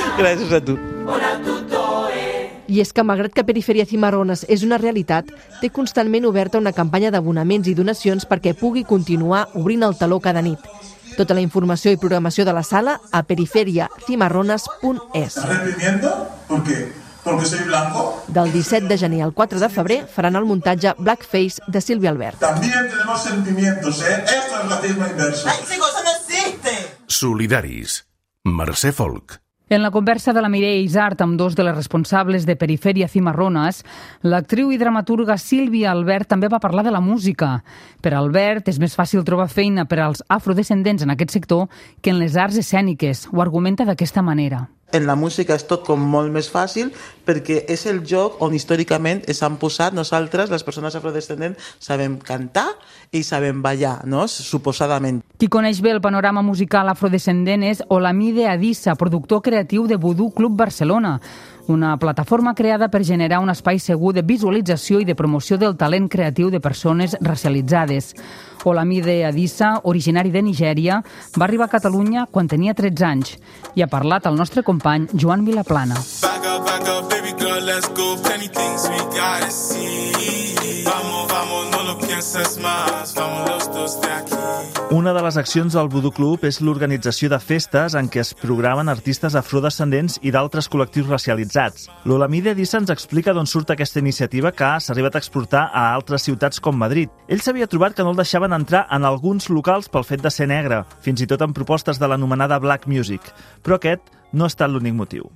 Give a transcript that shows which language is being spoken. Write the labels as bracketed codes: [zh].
[ca] Gràcies a tu. I és que, malgrat que Perifèria Cimarrones és una realitat, té constantment oberta una campanya d'abonaments i donacions perquè pugui continuar obrint el taló cada nit. Tota la informació i programació de la sala a perifèriacimarrones.es. [es] ¿Estás entendiendo? Porque Porque soy blanco. [ca] Del 17 de gener al 4 de febrer faran el muntatge Blackface de Silvia Albert. [es] También tenemos sentimientos, ¿eh? Esto es racismo inverso. ¡México, eso no existe! [ca] Solidaris. Mercè Folch. En la conversa de la Mireia Izard amb dos de les responsables de Perifèria Cimarrones, l'actriu i dramaturga Sílvia Albert també va parlar de la música. Per Albert és més fàcil trobar feina per als afrodescendents en aquest sector que en les arts escèniques, ho argumenta d'aquesta manera. En la música és tot com molt més fàcil perquè és el lloc on històricament s'han posat nosaltres, les persones afrodescendents, sabem cantar i sabem ballar, no? Suposadament. Qui coneix bé el panorama musical afrodescendent és Olamide Adissa, productor creatiu de Voodoo Club Barcelona, una plataforma creada per generar un espai segur de visualització i de promoció del talent creatiu de persones racialitzades. Olamide Adissa, originari de Nigèria, va arribar a Catalunya quan tenia 13 anys i ha parlat al nostre company Joan Vilaplana. [en] Back up, back up, baby girl, let's go, plenty things we gotta see. [es] Vamos, vamos, no lo pienses más, vamos los dos de aquí. [ca] Una de les accions del Voodoo Club és l'organització de festes en què es programen artistes afrodescendents i d'altres col·lectius racialitzats. L'Olamide Adissa ens explica d'on surt aquesta iniciativa que s'ha arribat a exportar a altres ciutats com Madrid. Ell s'havia trobat que no el deixaven entrar en alguns locals pel fet de ser negre, fins i tot amb propostes de l'anomenada Black Music, però aquest no ha estat l'únic motiu.